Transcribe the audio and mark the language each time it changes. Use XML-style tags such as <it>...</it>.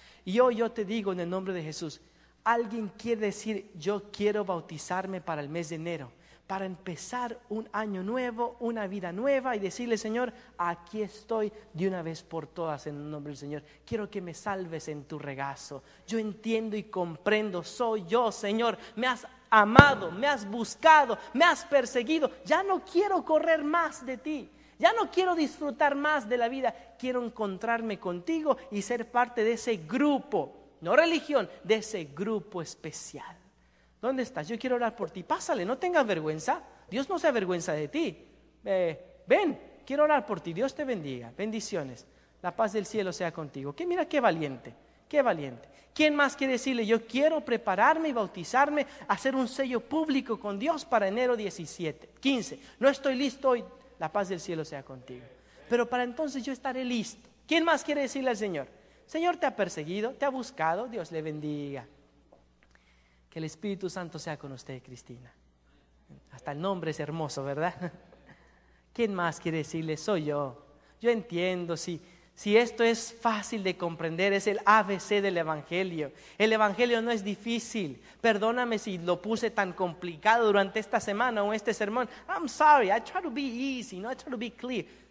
<es>Y hoy yo te digo en el nombre de Jesús, alguien quiere decir, yo quiero bautizarme para el mes de enero, para empezar un año nuevo, una vida nueva y decirle: Señor, aquí estoy de una vez por todas en el nombre del Señor. Quiero que me salves en tu regazo. Yo entiendo y comprendo, soy yo, Señor. Me has amado, me has buscado, me has perseguido. Ya no quiero correr más de ti. Ya no quiero disfrutar más de la vida. Quiero encontrarme contigo y ser parte de ese grupo, no religión, de ese grupo especial. ¿Dónde estás? Yo quiero orar por ti. Pásale, no tengas vergüenza. Dios no se avergüenza de ti. Ven, quiero orar por ti. Dios te bendiga. Bendiciones. La paz del cielo sea contigo. ¿Qué? Mira qué valiente, qué valiente. ¿Quién más quiere decirle, yo quiero prepararme y bautizarme, hacer un sello público con Dios para enero 17, 15? No estoy listo hoy. La paz del cielo sea contigo. Pero para entonces yo estaré listo. ¿Quién más quiere decirle al Señor? Señor, te ha perseguido, te ha buscado. Dios le bendiga. Que el Espíritu Santo sea con usted, Cristina. Hasta el nombre es hermoso, ¿verdad? ¿Quién más quiere decirle? Soy yo. Yo entiendo, si esto es fácil de comprender, es el ABC del Evangelio. El Evangelio no es difícil. Perdóname si lo puse tan complicado durante esta semana o este sermón.</es> <en>I'm sorry, I try to be easy, no, I try to be clear.</en>